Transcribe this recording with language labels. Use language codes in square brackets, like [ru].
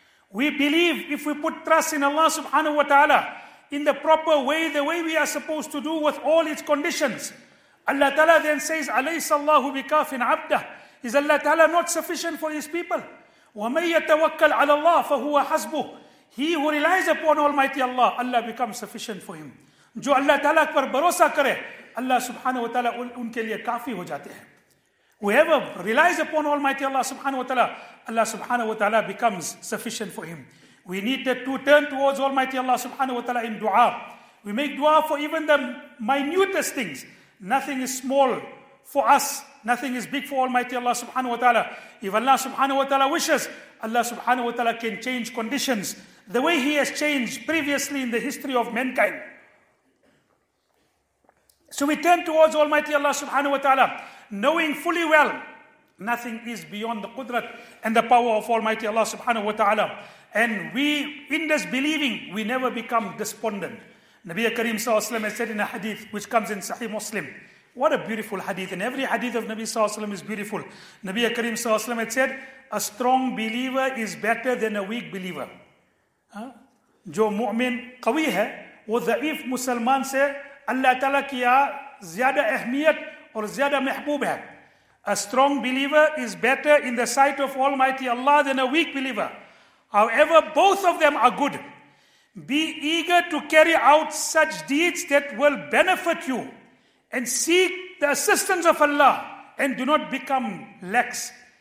[en] We believe if we put trust in Allah subhanahu wa ta'ala in the proper way, the way we are supposed to do with all its conditions. Allah ta'ala then says, [ar] أَلَيْسَ اللَّهُ بِكَافٍ عَبْدَهُ. [en] Is Allah ta'ala not sufficient for his people? [ar] وَمَنْ يَتَوَكَّلْ عَلَى اللَّهِ فَهُوَ حَسْبُهُ. [en] He who relies upon Almighty Allah, Allah becomes sufficient for him. [ur] جو اللہ تعالیٰ پر بھروسہ کرے, اللہ سبحانہ و تعالیٰ ان کے لیے کافی ہو جاتے ہیں. [en] Whoever relies upon Almighty Allah سبحانہ و تعالیٰ, اللہ سبحانہ و تعالیٰ becomes sufficient for him. We need to turn towards Almighty Allah سبحانہ و تعالیٰ in dua. We make dua for even the minutest things. Nothing is small for us. Nothing is big for Almighty Allah سبحانہ و تعالیٰ. If Allah سبحانہ و تعالیٰ wishes, Allah سبحانہ و تعالیٰ can change conditions the way he has changed previously in the history of mankind. So we turn towards Almighty Allah subhanahu wa ta'ala, knowing fully well nothing is beyond the qudrat and the power of Almighty Allah subhanahu wa ta'ala. And we, in this believing, we never become despondent. Nabi Kareem sallallahu alayhi wa sallam has said in a hadith which comes in Sahih Muslim. What a beautiful hadith. And every hadith of Nabi sallallahu alayhi wa sallam is beautiful. Nabi Kareem sallallahu alayhi wa sallam has said, a strong believer is better than a weak believer. [ur] Jo mu'min qawi hai, wo za'if musalman se اللہ تعالیٰ کیا زیادہ اہمیت اور زیادہ محبوب ہے. [en] A strong believer is better in the sight of Almighty Allah than a weak believer. However, both of them are good. Be eager to carry out such deeds that will benefit you and seek the assistance of Allah and do not become lax.